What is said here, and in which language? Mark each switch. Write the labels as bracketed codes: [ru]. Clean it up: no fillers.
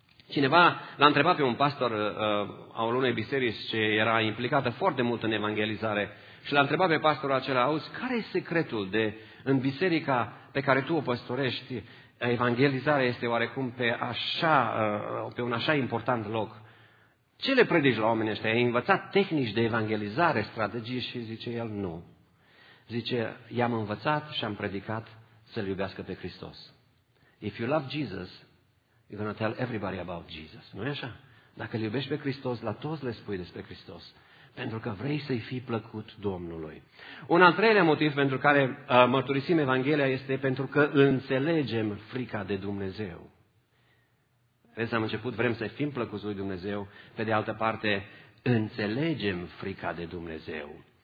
[ro] Cineva l-a întrebat pe un pastor al unei biserici ce era implicată foarte mult în evangelizare și l-a întrebat pe pastorul acela, auzi, care e secretul de în biserica pe care tu o păstorești, evangelizarea este oarecum pe așa, pe un așa important loc. Ce le predici la oamenii ăștia? Ai învățat tehnici de evangelizare, strategii? Și zice el, nu. Zice, i-am învățat și am predicat să-L iubească pe Hristos. [en] If you love Jesus, you're going to tell everybody about Jesus. [ro] Nu-i așa? Dacă îl iubești pe Hristos, la toți le spui despre Hristos. Pentru că vrei să-i fii plăcut Domnului. Un al treilea motiv pentru care mărturisim Evanghelia este pentru că înțelegem frica de Dumnezeu. Vezi, am început, vrem să fim plăcuți lui Dumnezeu. Pe de altă parte, înțelegem frica de Dumnezeu.